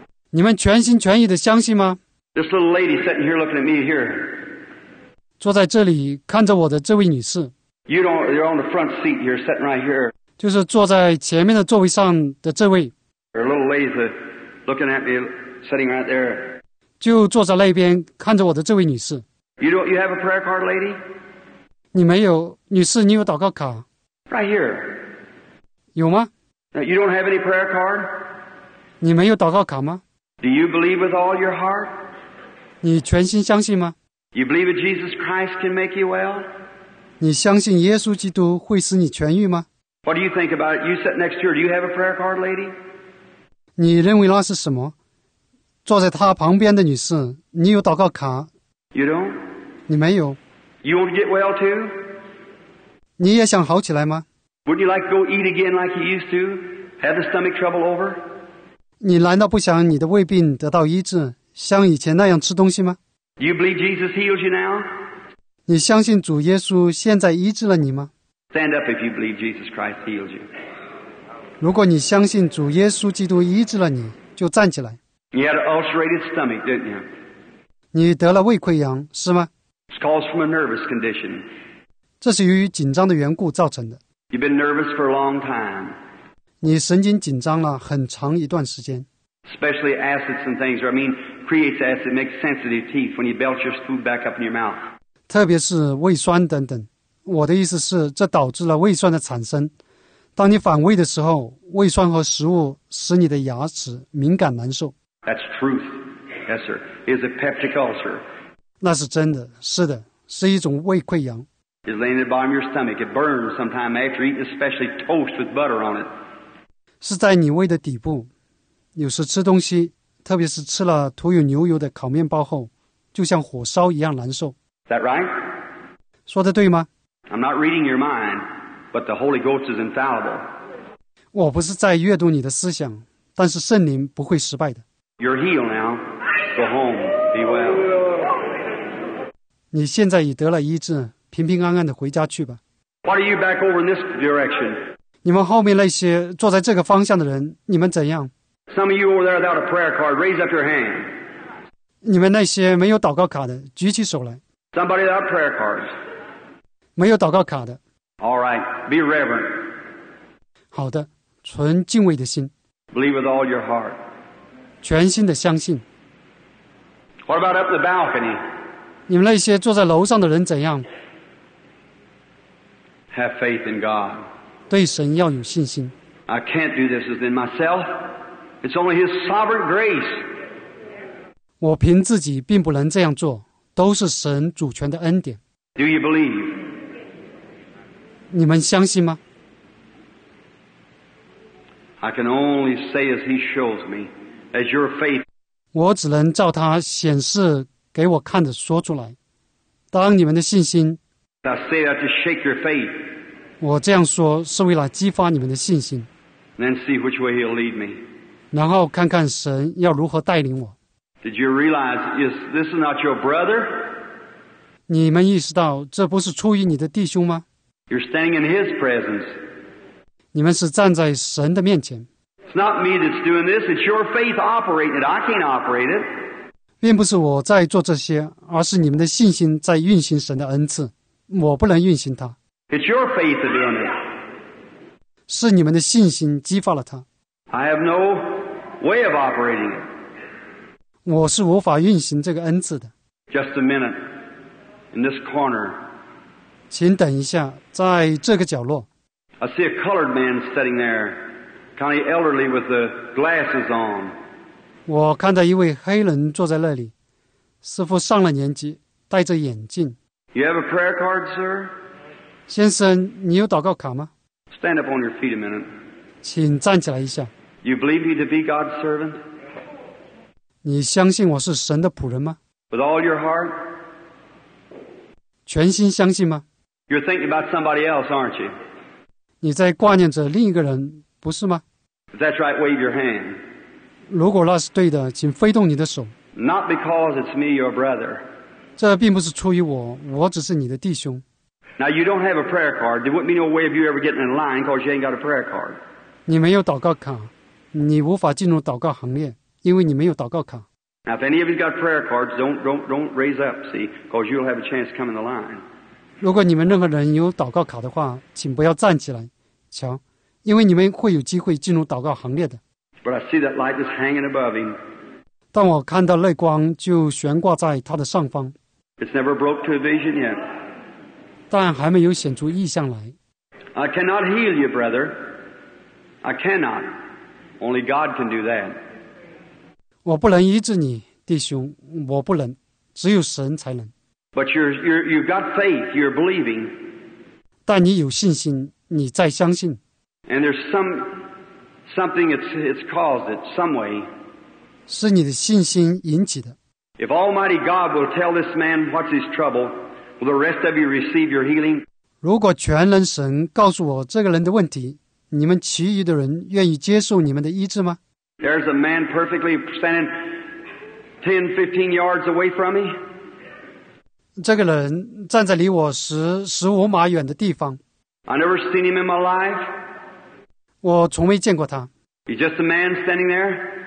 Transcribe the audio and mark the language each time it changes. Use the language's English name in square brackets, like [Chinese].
[Chinese] 你们全心全意地相信吗？ [English] This little lady sitting here looking at me here. [Chinese] 坐在这里看着我的这位女士。 [English] You're on the front seat here, sitting right here. [Chinese] 就是坐在前面的座位上的这位。 [English] Her little lady's looking at me, sitting right there. [Chinese] 就坐在那边看着我的这位女士。 [English] You have a prayer card, lady? [Chinese] 你没有，女士，你有祷告卡？ [English] Right here. [Chinese] 有吗？ [English] You don't have any prayer card? [Chinese] 你没有祷告卡吗？ [English] Do you believe with all your heart? [Chinese] 你全心相信吗？ [English] You believe that Jesus Christ can make you well? [Chinese] 你相信耶稣基督会使你痊愈吗？ [English] What do you think about it? You sit next to her. Do you have a prayer card, lady? [Chinese] 你认为那是什么？坐在她旁边的女士，你有祷告卡？ [English] You don't? [Chinese] 你没有。 [English] You want to get well too? [Chinese] 你也想好起来吗？ [English] Wouldn't you like to go eat again like you used to? Have the stomach trouble over? [Chinese] 你难道不想你的胃病得到医治，像以前那样吃东西吗？ [English] Do you believe Jesus heals you now? [Chinese] 你相信主耶稣现在医治了你吗？ [English] Stand up if you believe Jesus Christ heals you. [Chinese] 如果你相信主耶稣基督医治了你，就站起来。 [English] You had an ulcerated stomach, didn't you? [Chinese] 你得了胃溃疡，是吗？ [English] It's caused from a nervous condition. [Chinese] 这是由于紧张的缘故造成的。 [English] You've been nervous for a long time. [Chinese] 你神经紧张了很长一段时间。 [English] Especially acids and things, or I mean, creates acid, makes sensitive teeth when you belch your food back up in your mouth. [Chinese] 特别是胃酸等等。我的意思是，这导致了胃酸的产生。当你反胃的时候，胃酸和食物使你的牙齿敏感难受。 [English] That's truth. Yes, sir. It's a peptic ulcer. [Chinese] 那是真的，是的，是一种胃溃疡。 [English] It's laying at the bottom of your stomach. It burns sometime after eating, especially toast with butter on it. [Chinese] 是在你胃的底部，有时吃东西，特别是吃了涂有牛油的烤面包后，就像火烧一样难受。 [English] Is that right? [Chinese] 说的对吗？ [English] I'm not reading your mind, but the Holy Ghost is infallible. [Chinese] 我不是在阅读你的思想，但是圣灵不会失败的。 [English] You're healed now. Go home. Be well. [Chinese] 你现在已得了医治。平平安安地回家去吧。 [English] Why are you back over in this direction? [Chinese] 你们后面那些坐在这个方向的人，你们怎样？ [English] Some of you over there without a prayer card, raise up your hand. [Chinese] 你们那些没有祷告卡的，举起手来。 [English] Somebody without prayer cards. [Chinese] 没有祷告卡的。 [English] All right, be reverent. [Chinese] 好的，纯敬畏的心。 [English] Believe with all your heart. [Chinese] 全心的相信。 [English] What about up the balcony? [Chinese] 你们那些坐在楼上的人怎样？ [English] Have faith in God. [Chinese] 对神要有信心。 [English] I can't do this within myself. It's only His sovereign grace. [Chinese] 我凭自己并不能这样做，都是神主权的恩典。 [English] Do you believe? [Chinese] 你们相信吗？ [English] I can only say as He shows me, as your faith. [Chinese] 我只能照他显示给我看的说出来。当你们的信心。 [English] I say that to shake your faith. [Chinese] 我这样说是为了激发你们的信心。 [English] Then see which way he'll lead me. [Chinese] 然后看看神要如何带领我。 [English] Did you realize this is not your brother? [Chinese] 你们意识到这不是出于你的弟兄吗？ [English] You're standing in his presence. [Chinese] 你们是站在神的面前。 [English] It's not me that's doing this. It's your faith operating it. I can't operate it. [Chinese] 并不是我在做这些，而是你们的信心在运行神的恩赐。我不能运行它。 [English] It's your faith that doing it. [Chinese] 是你们的信心激发了它。 [English] I have no way of operating it. [Chinese] 我是无法运行这个恩赐的。 [English] Just a minute. In this corner. [Chinese] 请等一下，在这个角落。 [English] I see a colored man sitting there, kind of elderly with the glasses on. [Chinese] 我看到一位黑人坐在那里，似乎上了年纪，戴着眼镜。 [English] You have a prayer card, sir? [Chinese] 先生，你有祷告卡吗？ [English] Stand up on your feet a minute. [Chinese] 请站起来一下。 [English] You believe me to be God's servant? [Chinese] 你相信我是神的仆人吗？ [English] With all your heart? [Chinese] 全心相信吗？ [English] You're thinking about somebody else, aren't you? [Chinese] 你在挂念着另一个人，不是吗？ [English] If that's right, wave your hand. [Chinese] 如果那是对的，请挥动你的手。 [English] Not because it's me, your brother. [Chinese] 这并不是出于我，我只是你的弟兄。 [English] Now you don't have a prayer card. There wouldn't be no way of you ever getting in line because you ain't got a prayer card. [Chinese] 你没有祷告卡，你无法进入祷告行列，因为你没有祷告卡。 [English] Now if any of you got prayer cards, don't raise up, see, because you'll have a chance to come in the line. [Chinese] 如果你们任何人有祷告卡的话，请不要站起来，瞧，因为你们会有机会进入祷告行列的。 [English] But I see that light just hanging above him. [Chinese] 但我看到那光就悬挂在他的上方。 [English] It's never broke to a vision yet. [Chinese] 但还没有显出异象来。 [English] I cannot heal you, brother. I cannot. Only God can do that. [Chinese] 我不能医治你，弟兄，我不能，只有神才能。 [English] But you've got faith, you're believing. [Chinese] 但你有信心，你在相信。 [English] And there's something it's caused it, some way. [Chinese] 是你的信心引起的。 [English] If Almighty God will tell this man what's his trouble,Will the rest of you receive your healing? [Chinese] 如果全能神告诉我这个人的问题，你们其余的人愿意接受你们的医治吗？ [English] There's a man perfectly standing 10, 15 yards away from me. [Chinese] 这个人站在离我15码远的地方。 [English] I never seen him in my life. [Chinese] 我从没见过他。 [English] He's just a man standing there.